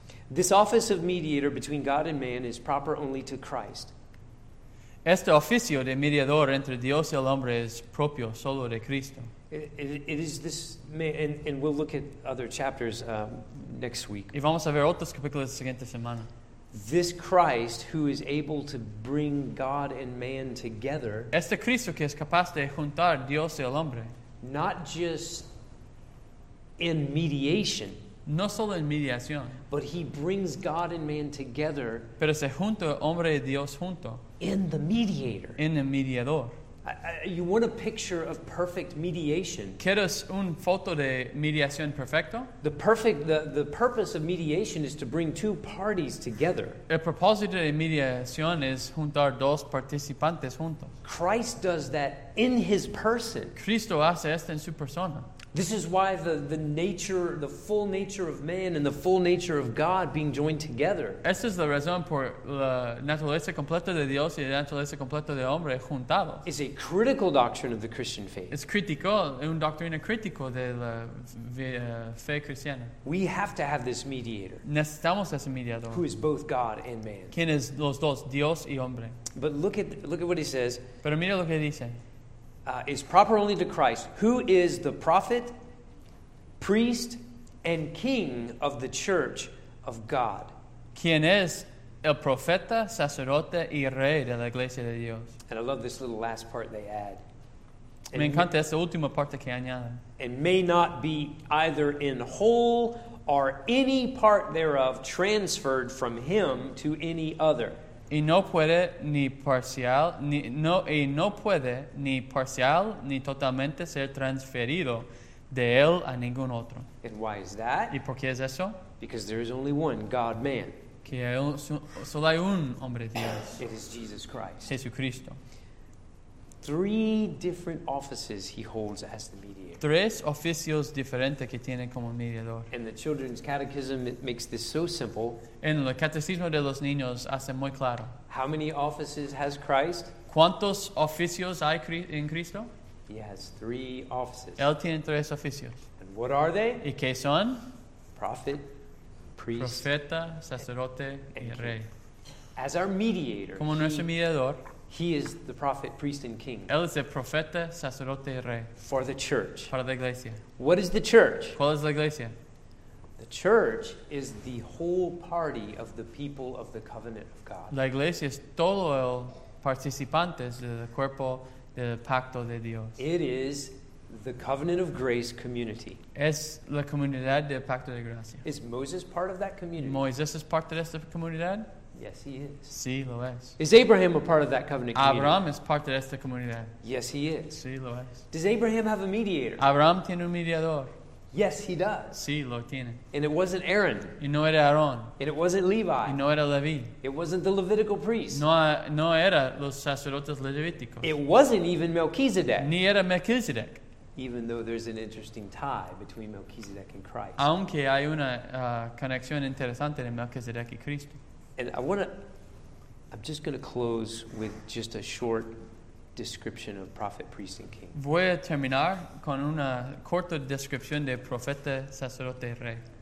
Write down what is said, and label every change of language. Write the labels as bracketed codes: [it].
[en] This office of mediator between God and man is proper only to Christ. [es] Este oficio de mediador entre Dios y el hombre es propio solo de Cristo. [en] It is this, and we'll look at other chapters next week. [es] Y vamos a ver otros capítulos la siguiente semana. [en] This Christ who is able to bring God and man together. [es] Este Cristo que es capaz de juntar Dios y el hombre. [en] Not just in mediation, [es] no solo en mediación, [en] but he brings God and man together. [es] Pero se junta hombre y Dios junto. [en] In the mediator, [es] en el mediador. [en] You want a picture of perfect mediation? [es] ¿Quieres un foto de mediación perfecto? [en] The purpose of mediation is to bring two parties together. [es] El propósito de mediación es juntar dos participantes juntos. [en] Christ does that in his person. [es] Cristo hace esto en su persona. [en] This is why the nature, the full nature of man and the full nature of God being joined together. [es] Esta es la razón por la naturaleza completa de Dios y la naturaleza completa de hombre juntados. [en] Is a critical doctrine of the Christian faith. [es] Es crítico, una doctrina crítica de la fe cristiana. [en] We have to have this mediator. [es] Necesitamos ese mediador. [en] Who is both God and man. [es] ¿Quién es los dos, Dios y hombre? [en] But look at what he says. [es] Pero mira lo que dice. [en] Is proper only to Christ, who is the prophet, priest, and king of the church of God. [es] ¿Quién es el profeta, sacerdote, y rey de la iglesia de Dios? [en] And I love this little last part they add. [es] And me encanta esta última parte que añaden. [en] And may not be either in whole or any part thereof transferred from him to any other. [es] Y no puede ni parcial ni totalmente ser transferido de él a ningún otro. [en] And why is that? [es] ¿Y por qué es eso? [en] Because there is only one God man. [es] Que hay solo hay un hombre Dios. [en] It is Jesus Christ. [es] Jesucristo. [en] Three different offices he holds as the mediator. [es] Tres oficios diferentes que tiene como mediador. [en] And the children's catechism makes this so simple. [es] En el catecismo de los niños hace muy claro. [en] How many offices has Christ? [es] ¿Cuántos oficios hay en Cristo? [en] He has three offices. [es] Él tiene tres oficios. [en] And what are they? [es] ¿Y qué son? [en] Prophet, priest, [es] profeta, sacerdote, and y rey. [en] As our mediator. [es] Como nuestro mediador. [en] He is the prophet, priest, and king. [es] Él es el profeta, sacerdote, y rey. [en] For the church. [es] Para la iglesia. [en] What is the church? [es] ¿Cuál es la iglesia? [en] The church is the whole party of the people of the covenant of God. [es] La iglesia es todo el participantes del cuerpo del pacto de Dios. [en] It is the covenant of grace community. [es] Es la comunidad del pacto de gracia. [en] Is Moses part of that community? [es] ¿Moisés es parte de esta comunidad? [en] Yes, he is. [es] Sí, lo es. [en] Is Abraham a part of that covenant community? [es] Abraham es parte de esta comunidad. [en] Yes, he is. [es] Sí, lo es. [en] Does Abraham have a mediator? [es] Abraham tiene un mediador. [en] Yes, he does. [es] Sí, lo tiene. [en] And it wasn't Aaron. [es] Y no era Aarón. [en] And it wasn't Levi. [es] Y no era Leví. [en] It wasn't the Levitical priest. [es] No era los sacerdotes levíticos. [en] It wasn't even Melchizedek. [es] Ni era Melchizedek. [en] Even though there's an interesting tie between Melchizedek and Christ. [es] Aunque hay una conexión interesante de Melchizedek y Cristo. [en] And I'm just going to close with just a short description of prophet, priest, and king. [es] Voy a terminar con una corta descripción de profeta, sacerdote, rey.